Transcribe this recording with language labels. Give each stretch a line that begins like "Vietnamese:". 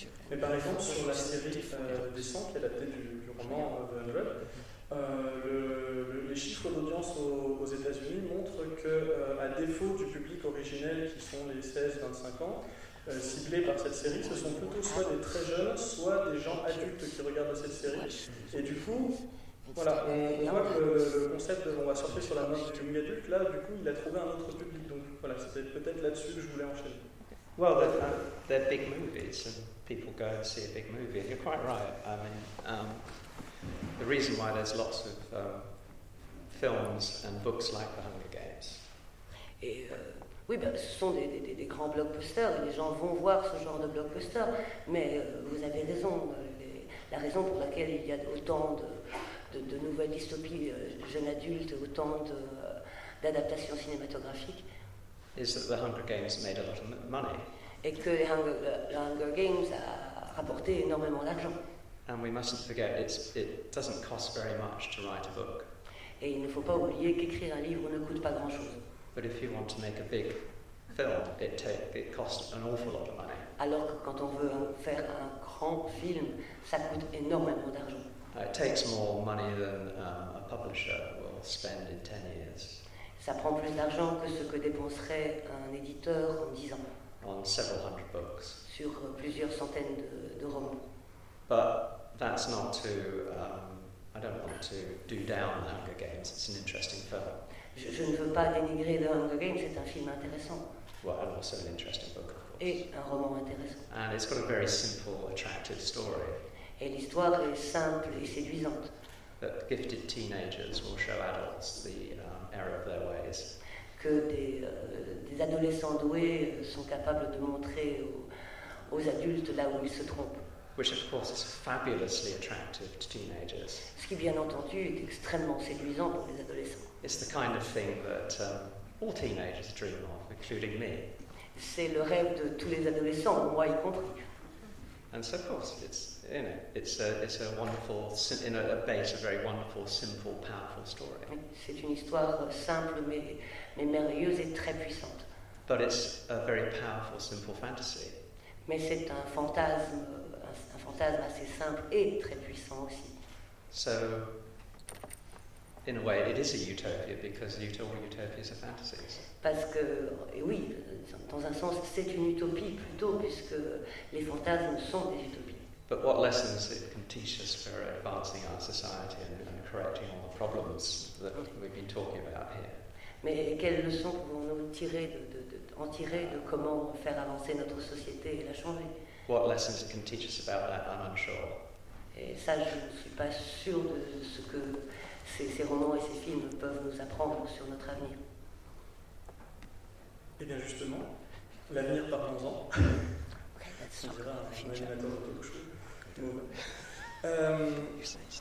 French: Mais par exemple, sur la série des 100 qui est adaptée du roman de Hanwell, les chiffres d'audience aux États-Unis montrent que, à défaut du public originel qui sont les 16-25 ans, ciblés par cette série, ce sont plutôt soit des très jeunes, soit des gens adultes qui regardent cette série. Et du coup, voilà, on voit que le concept de, on va surfer sur la mode du young adult, là, du coup, il a trouvé un autre public. Donc voilà, c'était peut-être là-dessus que je voulais enchaîner.
English: Well, they're big movies, and people go and see a big movie. You're quite right. I mean, the reason why there's lots of films and books like The Hunger Games.
French: Ce sont des grands blockbusters. Les gens vont voir ce genre de blockbusters. Mais vous avez raison. La raison pour laquelle il y a autant de nouvelles dystopies jeunes adultes, autant d'adaptations cinématographiques.
English: Is that The Hunger Games made a lot of money?
French: Et que The Hunger Games a rapporté énormément d'argent.
English: And we mustn't forget it doesn't cost very much to write a book.
French: Et il ne faut pas oublier qu'écrire un livre ne coûte pas grand-chose.
English: But if you want to make a big film, it costs an awful lot of money.
French: Alors que quand on veut faire un grand film, ça coûte énormément d'argent.
English: It takes more money than a publisher will spend in 10 years.
French: Ça prend plus d'argent que ce que dépenserait un éditeur en 10 ans.
English: On several hundred books.
French: Sur plusieurs centaines de romans.
English: But that's not to, I don't want to do down The Hunger Games, it's an interesting film.
French: Je ne veux pas dénigrer The Hunger Games, c'est un film intéressant.
English: Well, and also an interesting book, of course.
French: Et un roman intéressant.
English: And it's got a very simple, attractive story.
French: Et l'histoire est simple et séduisante.
English: That gifted teenagers will show adults the error of their ways.
French: Que des adolescents doués sont capables de montrer aux adultes là où ils se trompent.
English: Which of course is fabulously attractive to teenagers.
French: Ce qui bien entendu est extrêmement séduisant pour les adolescents.
English: It's the kind of thing that all teenagers dream of, including me.
French: C'est le rêve de tous les adolescents, moi y compris.
English: And so of course it's, you know, it's a wonderful, in a base, a very wonderful, simple, powerful story.
French: C'est une histoire simple mais merveilleuse et très puissante.
English: But it's a very powerful, simple fantasy.
French: Mais c'est un fantasme. Un fantasme assez simple et très puissant aussi.
English: So, in a way, it is a utopia because all utopias are fantasies.
French: Parce que, et oui, dans un sens, c'est une utopie plutôt puisque les fantasmes sont des utopies.
English: But what lessons it can teach us for advancing our society and correcting all the problems that we've been talking about here?
French: Mais quelles leçons pouvons-nous tirer de comment faire avancer notre société et la changer?
English: What lessons it can teach us about that, I'm unsure.
French: Et ça, je ne suis pas sûr de ce que ces romans et ces films peuvent nous apprendre sur notre avenir. Eh bien, justement, l'avenir, parlons-en. Okay, on dira un imaginateur de Tokushu.